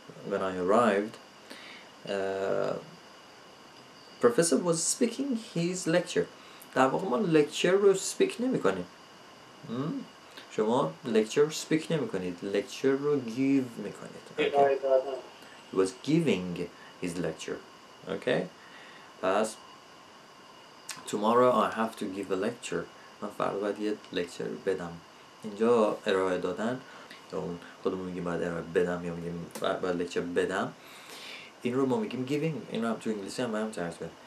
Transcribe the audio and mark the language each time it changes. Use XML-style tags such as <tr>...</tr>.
<en>when I arrived, professor was speaking his lecture.</en> <fa>در واقع ما لکچر رو speak نمی کنیم. شما لکچر speak نمی کنید. لکچر رو give می کنید.</fa> <en>Okay. He was giving his lecture. Okay.</en> <fa>پس</fa> <en>tomorrow I have to give a lecture.</en> <fa>من فردا باید یه لکچر بدم. اینجا ارائه دادن. خودمون میگیم باید ارائه بدم یا میگیم باید لکچر بدم. این رو ما میگیم giving. این رو تو انگلیسی هم باید ترس بدم.</fa>